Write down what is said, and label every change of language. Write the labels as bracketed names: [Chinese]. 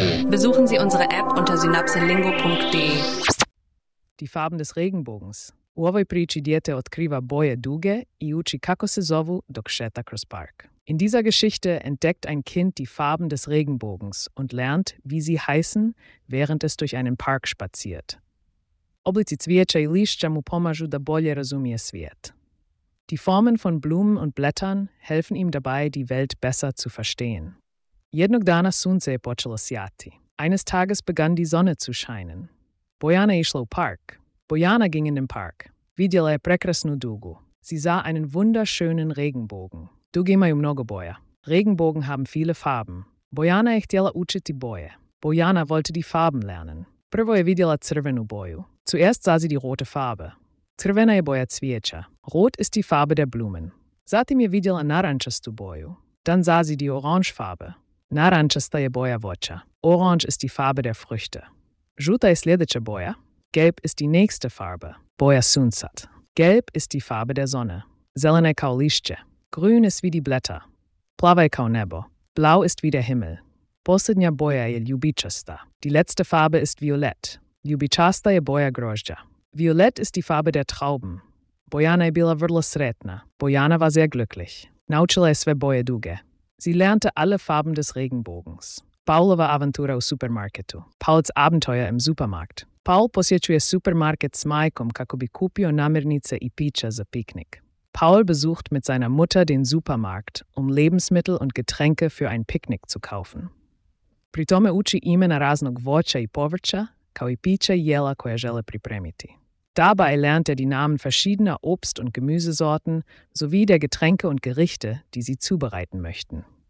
[German] Besuchen Sie unsere App unter synapselingo.de. Die Farben des Regenbogens. [Croatian] U ovoj priči dijete otkriva boje duge i uči kako se zovu dok šeta kroz park. [German] In dieser Geschichte entdeckt ein Kind die Farben des Regenbogens und lernt, wie sie heißen, während es durch einen Park spaziert. [Croatian] Oblici cvijeća i lišća mu pomažu da bolje razumije svijet. [German] Die Formen von Blumen und Blättern helfen ihm dabei, die Welt besser zu verstehen. [Croatian] Jednog dana sunce je počelo sjati. [German] Eines Tages begann die Sonne zu scheinen. [Croatian] Bojana išla u park. [German] Bojana ging in den Park. [Croatian] Vidjela je prekrasnu dugu. [German] Sie sah einen wunderschönen Regenbogen. [Croatian] Duge imaju mnogo boja. [German] Regenbogen haben viele Farben. [Croatian] Bojana je htjela učiti boje. [German] Bojana wollte die Farben lernen. [Croatian] Prvo je vidjela crvenu boju. [German] Zuerst sah sie die rote Farbe. [Croatian] Crvena je boja cvijeća. [German] Rot ist die Farbe der Blumen. [Croatian] Zatim je vidjela narančastu boju. [German] Dann sah sie die orange Farbe. [Croatian] Narančasta je boja voća. [German] Orange ist die Farbe der Früchte. [Croatian] Žuta je sljedeća boja. [German] Gelb ist die nächste Farbe. [Croatian] Boja suncat. [German] Gelb ist die Farbe der Sonne. [Croatian] Zelena je kao lišće. [German] Grün ist wie die Blätter. [Croatian] Plava je kao nebo. [German] Blau ist wie der Himmel. [Croatian] Posljednja boja je ljubičasta. [German] Die letzte Farbe ist violett. [Croatian] Ljubičasta je boja grožđa. [German] Violett ist die Farbe der Trauben. [Croatian] Bojana je bila vrlo sretna. [German] Bojana war sehr glücklich. [Croatian] Naučila je sve boje duge. [German] Sie lernte alle Farben des Regenbogens. [Croatian] Paulova avantura u supermarketu. [German] Pauls Abenteuer im Supermarkt. [Croatian] Paul posjećuje supermarket s majkom kako bi kupio namirnice i pića za piknik. [German] Paul besucht mit seiner Mutter den Supermarkt, um Lebensmittel und Getränke für ein Picknick zu kaufen. [Croatian] Pri tome uči imena raznog voća i povrća, kao i pića i jela koja žele pripremiti. [German] Dabei lernt er die Namen verschiedener Obst- und Gemüsesorten sowie der Getränke und Gerichte, die sie zubereiten möchten.